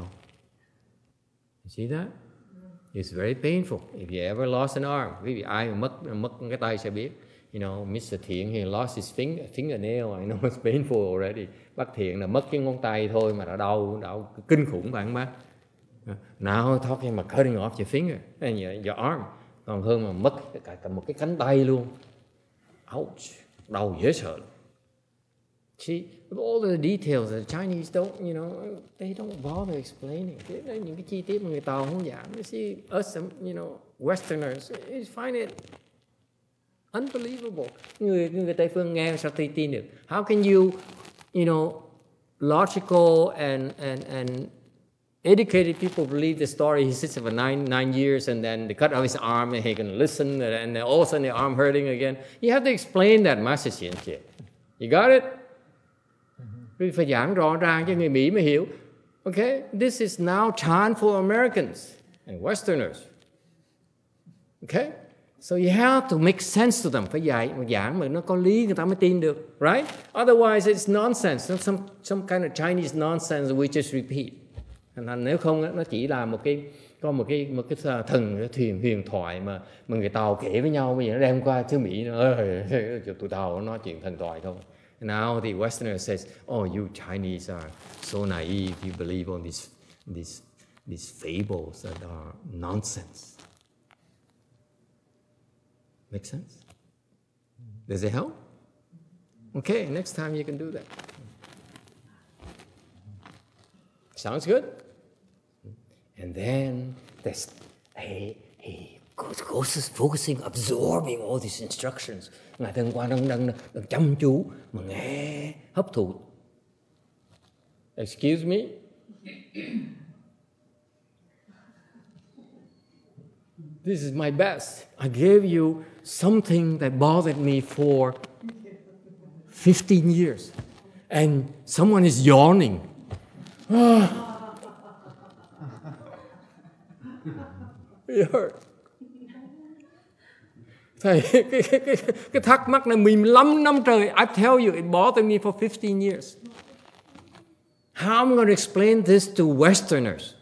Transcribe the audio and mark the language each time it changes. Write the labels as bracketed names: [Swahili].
[English] You see that? It's very painful. If you ever lost an arm, maybe [Vietnamese] ai mất cái tay sẽ biết. [English] You know, Mr. Thiện, he lost his fingernail. I know it's painful already. [Vietnamese] Bác Thiện là mất cái ngón tay thôi mà đã đau kinh khủng bạn bác. [English] Now talking about cutting off your finger and your arm. [Vietnamese] Còn hơn mà mất cả một cái cánh tay luôn. Ouch. Đau dễ sợ. [English] See, all the details the Chinese don't, you know, they don't bother explaining. [Vietnamese] Những cái chi tiết mà người ta không giảng. [English] You see, us, you know, Westerners, we find it unbelievable. [Vietnamese] Người Tây phương nghe sao tin được? [English] How can you, you know, logical and educated people believe the story? He sits for nine years and then they cut off his arm and he can listen and all of a sudden the arm hurting again. You have to explain that message. You got it? [Vietnamese] Phải giảng rõ ràng cho người Mỹ mới hiểu. [English] Okay, this is now time for Americans and Westerners. Okay, so you have to make sense to them. [Vietnamese] Phải dạy mà giảng mà nó có lý người ta mới tin được, right? [English] Otherwise, it's nonsense. It's some kind of Chinese nonsense we just repeat. [Vietnamese] And nếu không nó chỉ là một cái thần thuyền huyền thoại mà người Tàu kể với nhau bây giờ đem qua xứ Mỹ cho tụi Tàu nói chuyện thần thoại thôi. [English] Now the Westerner says, "Oh, you Chinese are so naive. You believe on these fables that are nonsense." Make sense? Does it help? Okay, next time you can do that. Sounds good. And then there's a ghost focusing, absorbing all these instructions. [Vietnamese] Ngài thân quan đang chăm chú mà nghe hấp thụ. [English] Excuse me. This is my best. I gave you something that bothered me for 15 years. And someone is yawning. It hurt. [Vietnamese] Thầy, cái thắc mắc này 15 năm trời, [English] I tell you, it bothered me for 15 years. How am I going to explain this to Westerners?